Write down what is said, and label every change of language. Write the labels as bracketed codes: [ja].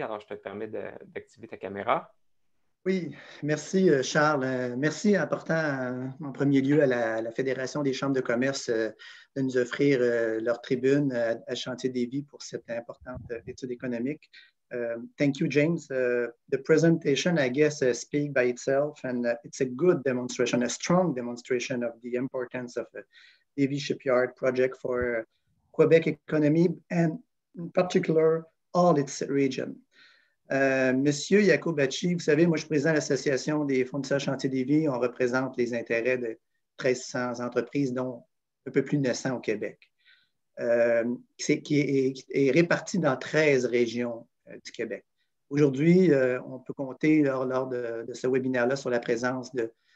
[fr] Alors, je te permets d'activer ta caméra. Oui, merci Charles. Merci en partant en premier lieu à la Fédération des chambres de commerce de nous offrir leur tribune à Chantier Davies pour cette importante étude économique. [en] Thank you, James. The presentation, I guess, speaks by itself, and it's a good demonstration, a strong demonstration of the importance of the Davies Shipyard project for Quebec economy and in particular all its region. [fr] Monsieur Iacobacci, vous savez, moi, je présente l'Association des fournisseurs chantiers Davies. On représente les intérêts de 1300 entreprises, dont un peu plus de 900 au Québec, qui est réparti dans 13 régions du Québec. Aujourd'hui, on peut compter, lors de ce webinaire-là, sur la présence de